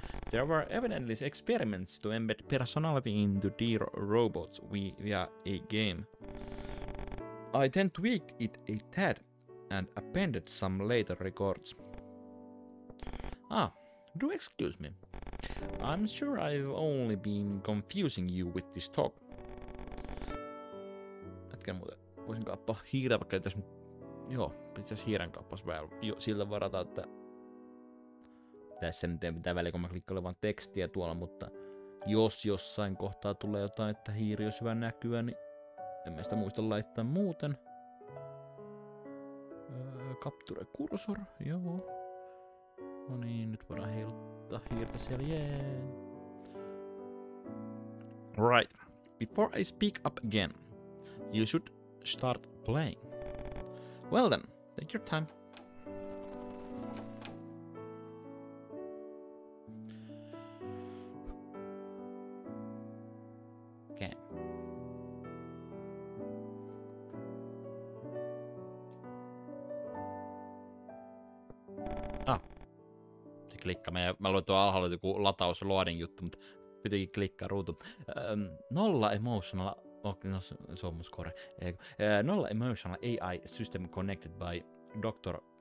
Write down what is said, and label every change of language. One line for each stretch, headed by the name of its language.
English: There were evidently experiments to embed personality into dear robots via a game. I then tweaked it a tad and appended some later records. Ah, do excuse me. I'm sure I've only been confusing you with this talk.
Finnish: Hetken muuten, voisin kaappaa hiirää vaikka tässä. Joo, pitäis hiiren kaappas vähän jo siltä varata, että tässä nyt ei mitään väliä, kun mä klikkailen vaan tekstiä tuolla, mutta jos jossain kohtaa tulee jotain, että hiiri olisi hyvä näkyä, niin en mä sitä muista laittaa muuten.
English: Capture cursor,
Finnish: joo. No niin, nyt voidaan heiluttaa hiirtä siellä, jee.
English: Right. Before I speak up again, you should start playing. Well then, take your time.
Finnish: Klikkaamme. Mä luin tuon alhaalla joku lataus ja loading juttu, mutta pitikin klikkaa ruutu. Nolla emotional, okay, no, se on mun score.
English: Nolla emotional AI system connected by Dr.